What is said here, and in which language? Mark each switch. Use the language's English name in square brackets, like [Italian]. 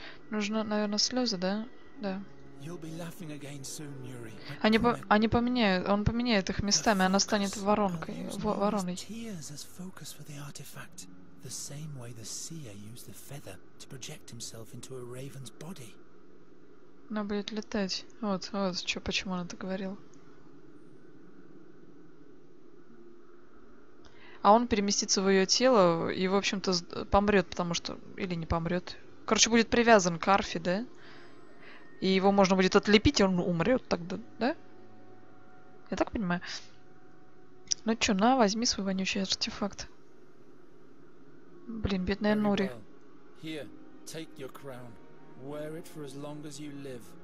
[Russian] Нужно, наверное, слезы, да? Да. [English] You'll be laughing again soon, Yuri. [Russian] Они поменяют, он поменяет их местами, она станет воронкой, вороной. [English] Tears as focus for the artifact. The same way the seer used the feather to project himself into a raven's body. [Russian] Она будет летать. Вот, вот, чё, почему он это говорил. А он переместится в ее тело и, в общем-то, помрет, потому что... Или не помрет. Короче, будет привязан к арфе, да? И его можно будет отлепить, и он умрет тогда, да? Я так понимаю? Ну чё, на, возьми свой вонючий артефакт. Блин, бедная Нури. [English] Here, take your crown. Wear it for as long as you live.